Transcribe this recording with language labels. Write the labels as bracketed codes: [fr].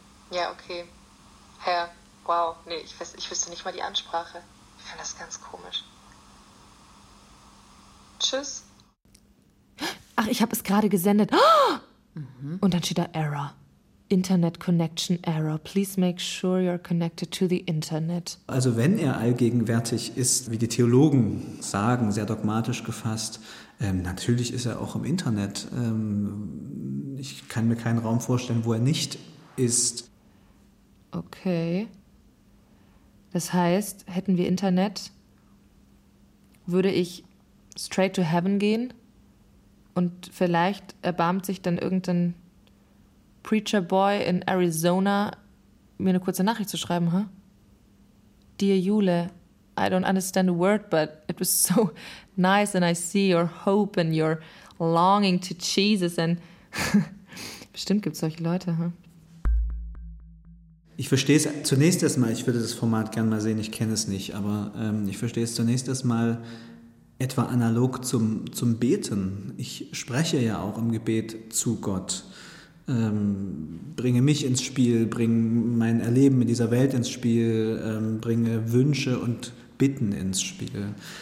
[de] Ja, okay. Herr, wow. Nee, ich wüsste nicht mal die Ansprache. Ich finde das ganz komisch. Tschüss. Ach, ich habe es gerade gesendet. Und dann steht da [en] Error. Internet Connection Error. Please make sure you're connected to the Internet. [de] Also wenn er allgegenwärtig ist, wie die Theologen sagen, sehr dogmatisch gefasst, natürlich ist er auch im Internet. Ich kann mir keinen Raum vorstellen, wo er nicht ist. Okay. Das heißt, hätten wir Internet, würde ich [en] straight to heaven [de] gehen und vielleicht erbarmt sich dann irgendein Preacher Boy in Arizona, mir eine kurze Nachricht zu schreiben, huh? [en] Dear Jule, I don't understand a word, but it was so nice and I see your hope and your longing to Jesus and... [de] Bestimmt gibt es solche Leute, huh? Ich verstehe es zunächst erstmal, ich würde das Format gerne mal sehen, ich kenne es nicht, aber ich verstehe es zunächst erstmal etwa analog zum Beten. Ich spreche ja auch im Gebet zu Gott, bringe mich ins Spiel, bringe mein Erleben in dieser Welt ins Spiel, bringe Wünsche und Bitten ins Spiel.